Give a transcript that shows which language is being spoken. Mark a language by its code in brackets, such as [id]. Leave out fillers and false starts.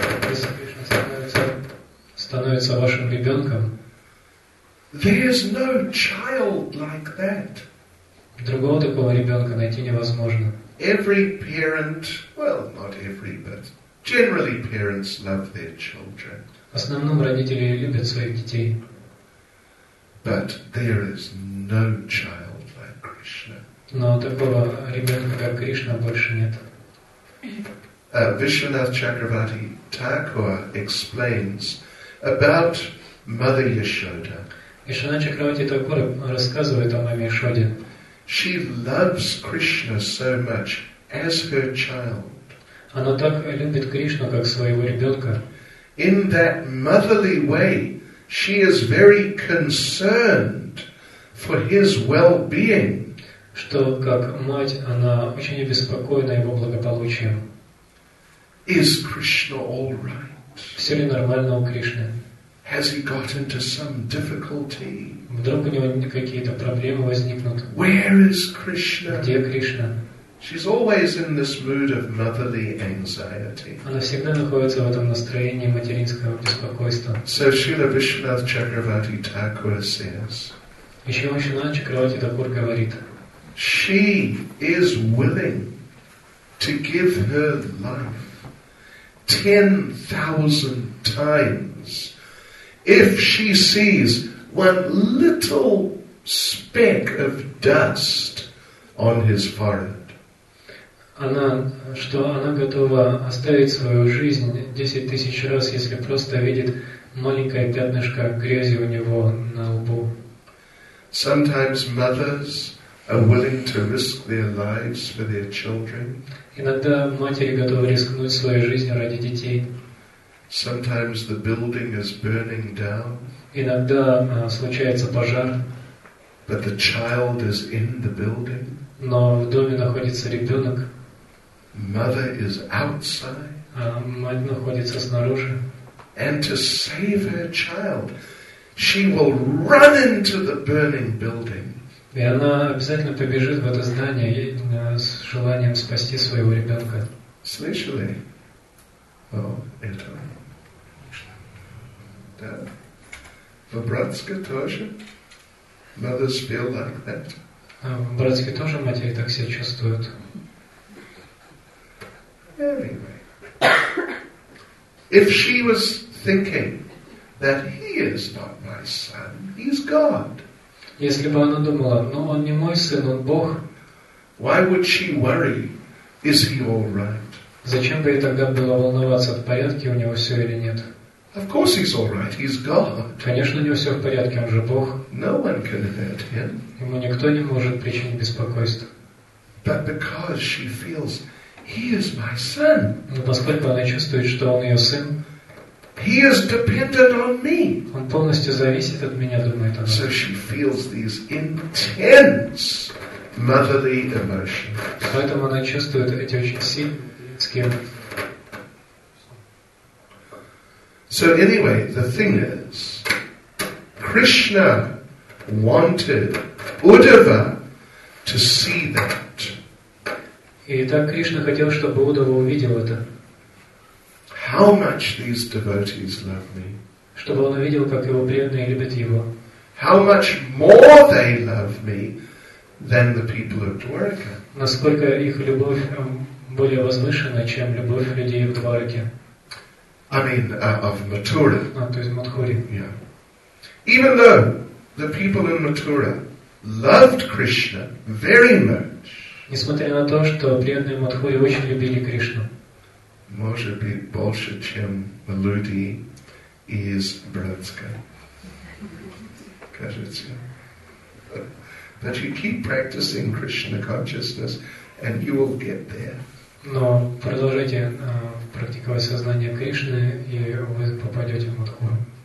[ru] если Кришна становится вашим ребенком, [en] there's no child like that. [ru] Другого такого ребенка найти невозможно. [en] Every parent, well, not every, but generally parents love their children. [ru] В основном родители любят своих детей. [en] But there is no child like Krishna. [ru] Но такого ребенка, как Кришна, больше нет. [en] Vishwanath Chakravarti Thakur explains about Mother Yashoda. [ru] Vishwanath Chakravarti Thakur рассказывает о маме Яшоде. [en] She loves Krishna so much as her child. [ru] Она так любит Кришну, как своего ребенка. [en] In that motherly way, she is very concerned for his well-being. [ru] Что как мать, она очень обеспокоена его благополучием. [en] Is Krishna all right? [ru] Все ли нормально у Кришны? [en] Has he got into some difficulty? [ru] Вдруг у него какие-то проблемы возникнут? [en] Where is Krishna? [ru] Где Кришна? [en] She's always in this mood of motherly anxiety. [ru] Она всегда находится в этом настроении материнского беспокойства. [en] So Srila Vishwanath Chakravarti Thakur says. [ru] Еще Вишванат Чакравати Такур говорит. [en] She is willing to give her life 10,000 times if she sees one little speck of dust on his forehead. [ru] Она готова оставить свою жизнь 10,000 раз, если просто видит маленькое пятнышко грязи у него на лбу. [en] Sometimes mothers are willing to risk their lives for their children. [ru] Иногда матери готовы рискнуть своей жизнью ради детей. [en] Sometimes the building is burning down. [ru] Иногда случается пожар. [en] But the child is in the building. [ru] Но в доме находится ребенок. [en] Mother is outside. [ru] А мать находится снаружи. [en] And to save her child, she will run into the burning building. [ru] И она обязательно побежит в это здание с желанием спасти своего ребенка. Слышали? О, это. Да. В Братске тоже? [en] Mothers feel like that. [ru] В Братске тоже матери так себя чувствуют? [en] Anyway. If she was thinking that he is not my son, he's God. [ru] Если бы она думала, ну он не мой сын, он Бог. [en] Why would she worry? Is he all right? [ru] Зачем бы ей тогда было волноваться, в порядке у него все или нет? [en] Of course he's all right. He's God. [ru] Конечно, у него все в порядке, он же Бог. [en] No one can hurt him. [ru] Ему никто не может причинить беспокойство. [en] But because she feels he is my son. [ru] Но поскольку она чувствует, что он ее сын. [en] He is dependent on me. [ru] Он полностью зависит от меня, думает она. [en] So she feels these intense motherly emotions. [ru] Поэтому она чувствует эти очень сильные. [en] So anyway, the thing is, Krishna wanted Uddhava to see that. [ru] Итак, Кришна хотел, чтобы Уддхава увидел это. [en] How much these devotees love me. [ru] Чтобы он увидел, как его преданные любят его. [en] How much more they love me than the people of Dwarka. [ru] Насколько их любовь более возвышена, чем любовь людей в Дварке. [en] I mean, of Mathura. [ru] То есть Матхури. [en] Yeah. Even though the people in Mathura loved Krishna very much. [ru] Несмотря на то, что преданные Матхури очень любили Кришну. Может быть, больше, чем люди из Братска. Кажется. [en] But you keep practicing Krishna consciousness and you will get there. [ru] Но продолжайте практиковать сознание Кришны, и вы попадете в Мадхуру.